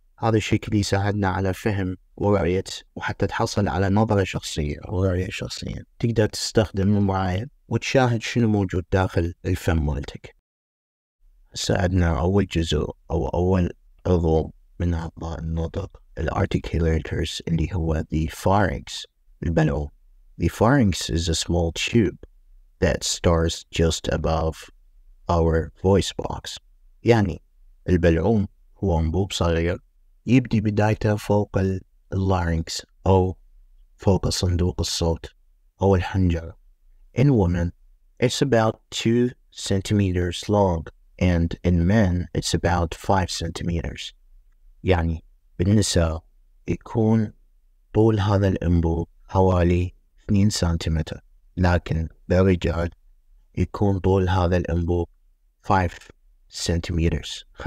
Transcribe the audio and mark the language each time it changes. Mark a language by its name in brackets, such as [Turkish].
[Arabic] هذا الشكل يساعدنا على فهم ورؤية وحتى تحصل على نظرة شخصية ورؤية شخصية. تقدر تستخدم المراية وتشاهد شنو موجود داخل الفم مالتك. ساعدنا أول جزء أو أول عضو من أعضاء النطق الarticulators اللي هو the pharynx البلعوم. [English] The pharynx is a small tube that starts just above our voice box. [Arabic] يعني البلعوم هو انبوب صغير يبدي بدايته فوق اللارينكس أو فوق صندوق الصوت أو الحنجرة. [English] In women, it's about 2 centimeters long and in men, it's about 5 centimeters. [Arabic] يعني بالنساء يكون طول هذا الانبوب حوالي 2 سنتيمتر، لكن بالرجال يكون طول هذا الانبوب 5 centimeters.